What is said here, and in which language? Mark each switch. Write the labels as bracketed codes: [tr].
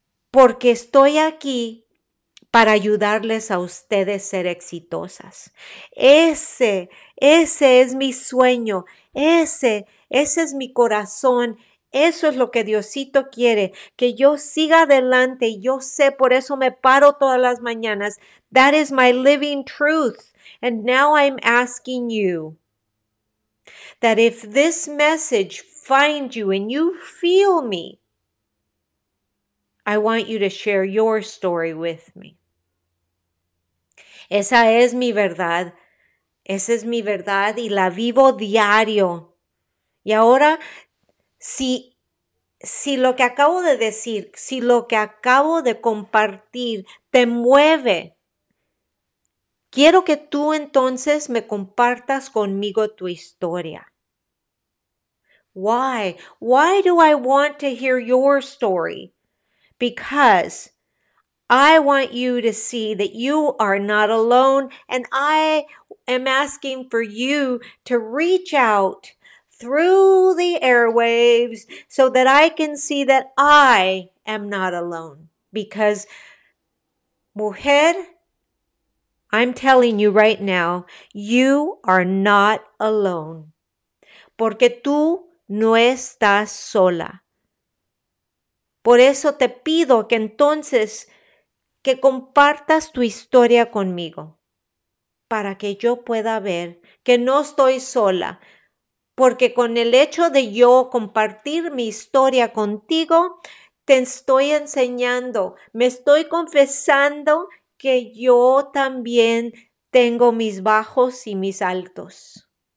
[es] Porque estoy aquí para ayudarles a ustedes a ser exitosas. Ese es mi sueño. Ese es mi corazón. Eso es lo que Diosito quiere, que yo siga adelante. Y yo sé, por eso me paro todas las mañanas. [en] That is my living truth. And now I'm asking you that if this message finds you and you feel me, I want you to share your story with me. [es] Esa es mi verdad. Esa es mi verdad y la vivo diario. Y ahora, si lo que acabo de decir, si lo que acabo de compartir te mueve, quiero que tú entonces me compartas conmigo tu historia. [en] Why? Why do I want to hear your story? Because I want you to see that you are not alone, and I am asking for you to reach out through the airwaves so that I can see that I am not alone. Because, mujer, I'm telling you right now, you are not alone. [es] Porque tú no estás sola. Por eso te pido que entonces que compartas tu historia conmigo para que yo pueda ver que no estoy sola, porque con el hecho de yo compartir mi historia contigo, te estoy enseñando, me estoy confesando que yo también tengo mis bajos y mis altos.